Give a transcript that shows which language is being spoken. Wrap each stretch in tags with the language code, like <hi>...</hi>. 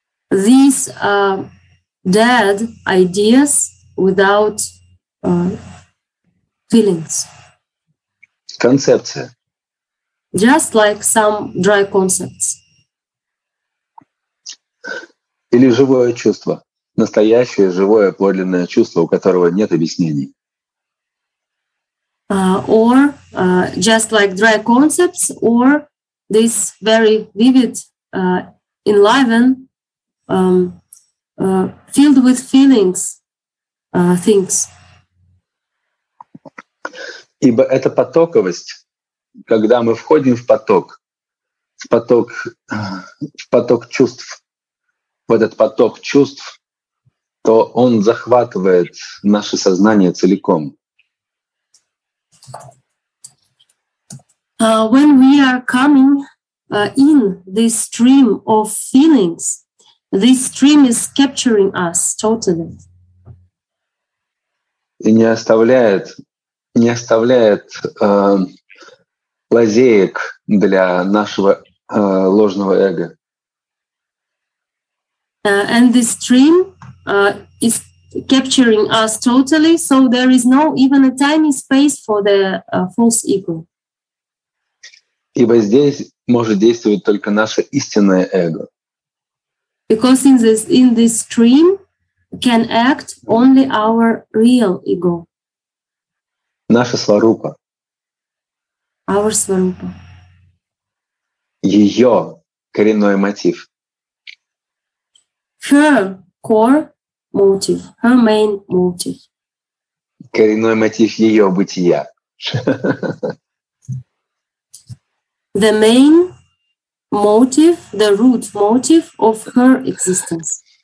<en>These dead ideas without feelings.</en> <ru>Концепция.</ru> <en>Just like some dry concepts.</en> <ru>Или живое чувство, настоящее живое подлинное чувство, у которого нет объяснений.</ru> <en>Or just like dry concepts, or this very vivid, enlivened, filled with feelings, things.</en> <ru>Ибо это потоковость, когда мы входим в поток чувств, в этот поток чувств, то он захватывает наше сознание целиком.</ru> <en>When we are coming in this stream of feelings, this stream is capturing us totally.</en> <ru>И не оставляет лазеек для нашего ложного эго.</ru> <en>And this stream is capturing us totally, so there is no even a tiny space for the false ego.</en> <ru>Ибо здесь может действовать только наше истинное эго.</ru> <en>Because in this stream can act only our real ego.</en> <ru>Наша сварупа.</ru> <en>Our сварупа.</en> <ru>Ее коренной мотив.</ru> <en>Her core motive. Her main motive.</en> <ru>Коренной мотив ее бытия.</ru> <en>The main motive, the root motive of her existence.</en>